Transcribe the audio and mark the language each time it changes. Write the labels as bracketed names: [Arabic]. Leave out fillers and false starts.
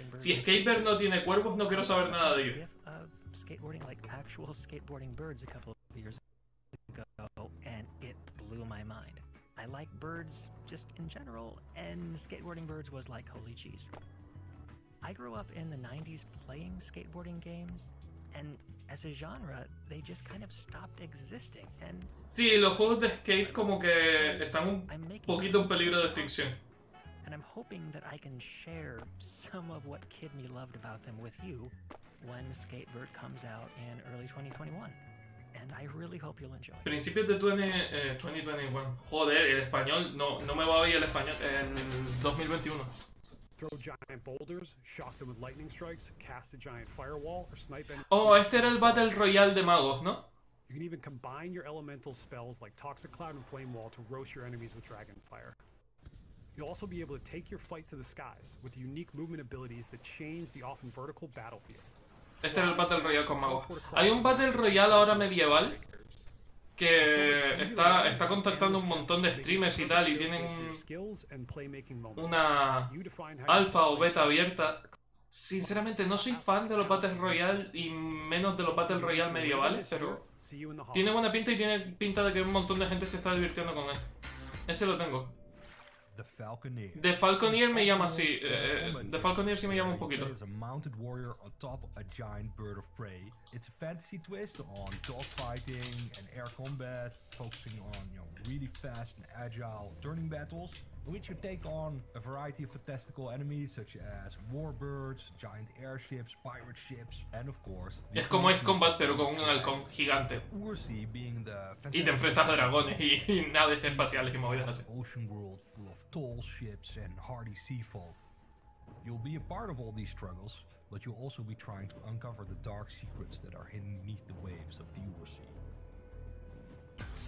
[Spanish] Si Skater no tiene cuervos, no quiero saber nada de ello. [English] As a genre, they just kind of stopped existing. And [Spanish] sí, los juegos de skate como que están un poquito en peligro de extinción. [English] And I'm hoping that I can share some of what Kid Me loved about them with you when Skatebird comes out in early 2021. And I really hope you'll enjoy. [Spanish] Principios de 2021. Joder, el español no me va hoy el español en 2021. [English] Throw giant boulders, shock them with lightning strikes, cast a giant firewall, or snipe and... [Spanish] Oh, este era el Battle Royale de magos, ¿no? [English] You can even combine your elemental spells like Toxic Cloud and Flame Wall to roast your enemies with dragon fire. You'll also be able to take your fight to the skies with unique movement abilities that change the often vertical battlefield. [Spanish] Este era el Battle Royale con magos. Hay un Battle Royale ahora medieval que está contactando un montón de streamers y tal, y tienen una alfa o beta abierta. Sinceramente, no soy fan de los Battle Royale y menos de los Battle Royale medievales, pero tiene buena pinta y tiene pinta de que un montón de gente se está divirtiendo con él. Ese lo tengo. The Falconeer me llama así. The Falconeer sí me llama un poquito. Es un [English] mounted warrior atop a giant bird of prey. It's a fantasy twist on dogfighting and air combat, focusing on, you know, really fast and agile turning battles, in which you take on a variety of fantastical enemies such as warbirds, giant airships, pirate ships, and of course. [Spanish] Es como Ace Combat pero con un halcón gigante. [English] Ursi being the [Spanish] y te enfrentas a dragones y naves espaciales y movidas así. [English] Ocean world full of tall ships and hardy seafolk. You'll be a part of all these struggles, but you'll also be trying to uncover the dark secrets that are hidden beneath the waves of the Ursi.